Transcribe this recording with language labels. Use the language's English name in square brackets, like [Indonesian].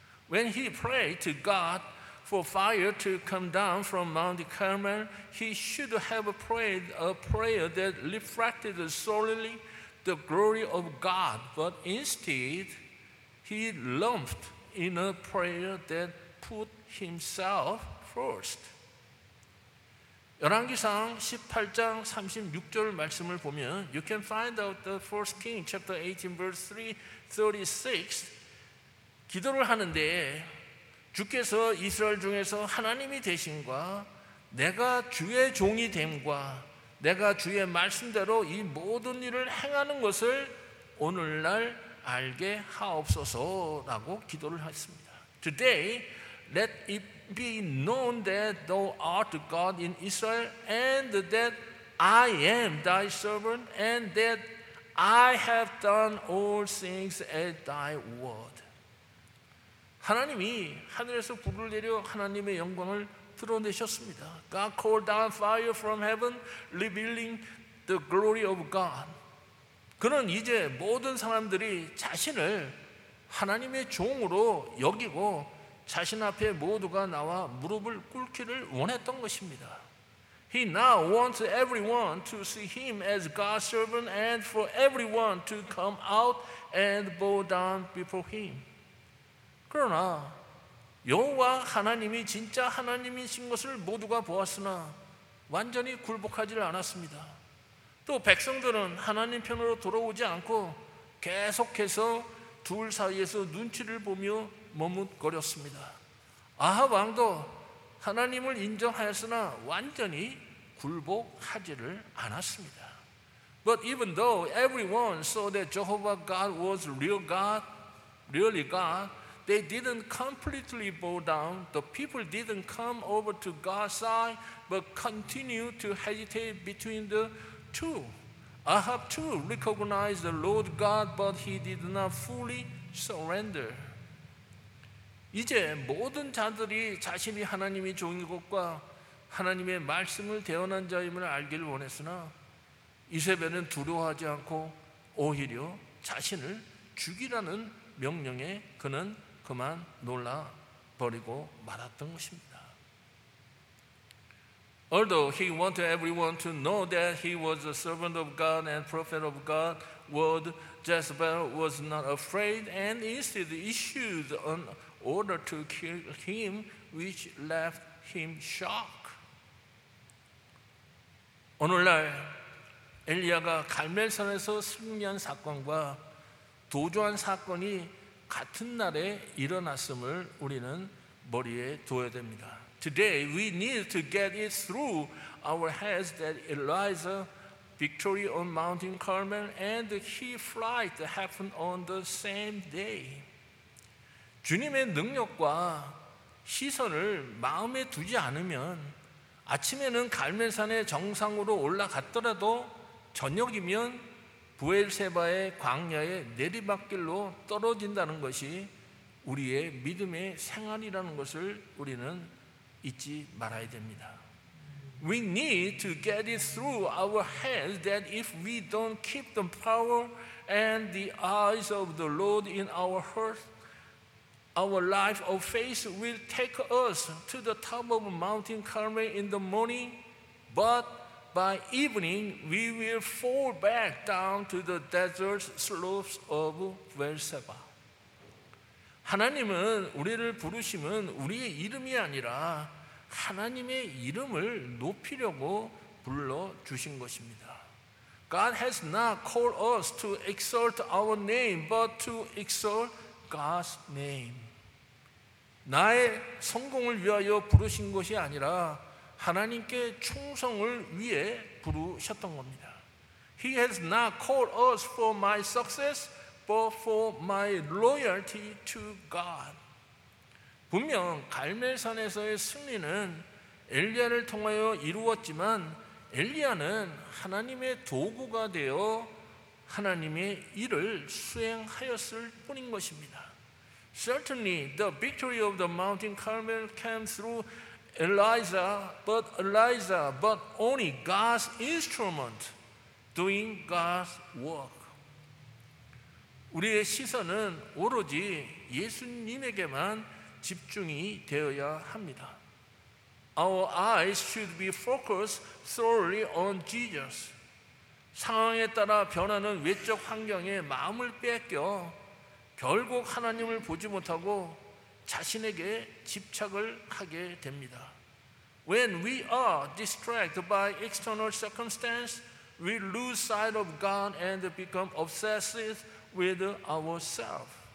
[English] When he prayed to God for fire to come down from Mount Carmel, he should have prayed a prayer that reflected solely the glory of God, but instead he lumped in a prayer that put himself first. [Korean] 열왕기상 18장 36절 말씀을 보면 [English] You can find out the first king chapter 18 verse 36. [Korean] 기도를 하는데 주께서 이스라엘 중에서 하나님이 되신과 내가 주의 종이 됨과 내가 주의 말씀대로 이 모든 일을 행하는 것을 오늘날 알게 하옵소서라고 기도를 했습니다. [English] Today, let it be known that thou art God in Israel, and that I am thy servant, and that I have done all things at thy word. [Korean] 하나님이 하늘에서 불을 내려 하나님의 영광을 드러내셨습니다. [English] God called down fire from heaven, revealing the glory of God. [Korean] 그는 이제 모든 사람들이 자신을 하나님의 종으로 여기고 자신 앞에 모두가 나와 무릎을 꿇기를 원했던 것입니다. [English] He now wants everyone to see him as God's servant and for everyone to come out and bow down before him. [Korean] 그러나 여호와 하나님이 진짜 하나님이신 것을 모두가 보았으나 완전히 굴복하지 않았습니다. 또 백성들은 하나님 편으로 돌아오지 않고 계속해서 둘 사이에서 눈치를 보며 머뭇거렸습니다. 아합 왕도 하나님을 인정하였으나 완전히 굴복하지를 않았습니다. [English] But even though everyone saw that Jehovah God was real God, really God, they didn't completely bow down. The people didn't come over to God's side, but continued to hesitate between the two. Ahab too recognized the Lord God, but he did not fully surrender. [Korean] 이제 모든 자들이 자신이 하나님의 종인 것과 하나님의 말씀을 대언한 자임을 알기를 원했으나 이세벨은 두려워하지 않고 오히려 자신을 죽이라는 명령에 그는 그만 놀라 버리고 말았던 것입니다. [English] Although he wanted everyone to know that he was a servant of God and prophet of God, word Jezebel was not afraid and instead issued an order to kill him, which left him shocked. [Korean] 오늘날 엘리야가 갈멜산에서 승리한 사건과 도주한 사건이 같은 날에 일어났음을 우리는 머리에 두어야 됩니다. [English] Today we need to get it through our heads that Elijah victory on Mount Carmel and he flight happened on the same day. [Korean] 주님의 능력과 시선을 마음에 두지 않으면 아침에는 갈멜산의 정상으로 올라갔더라도 저녁이면 부엘세바의 광야의 내리막길로 떨어진다는 것이 우리의 믿음의 생활이라는 것을 우리는 잊지 말아야 됩니다. [English] We need to get it through our heads that if we don't keep the power and the eyes of the Lord in our heart, our life of faith will take us to the top of Mount Carmel in the morning, but by evening, we will fall back down to the desert slopes of Beersheba. [Korean] 하나님은 우리를 부르심은 우리의 이름이 아니라 하나님의 이름을 높이려고 불러주신 것입니다. [English] God has not called us to exalt our name, but to exalt God's name. [Korean] 나의 성공을 위하여 부르신 것이 아니라 하나님께 충성을 위해 부르셨던 겁니다. [English] He has not called us for my success, but for my loyalty to God. [Korean] 분명 갈멜산에서의 승리는 엘리야를 통하여 이루었지만 엘리야는 하나님의 도구가 되어 하나님의 일을 수행하였을 뿐인 것입니다. [English] Certainly, the victory of the Mount Carmel came through Elijah, but only God's instrument doing God's work. [Korean] 우리의 시선은 오로지 예수님에게만 집중이 되어야 합니다. [English] Our eyes should be focused solely on Jesus. [Korean] 상황에 따라 변하는 외적 환경에 마음을 뺏겨 결국 하나님을 보지 못하고 자신에게 집착을 하게 됩니다. [English] When we are distracted by external circumstances, we lose sight of God and become obsessed with ourselves.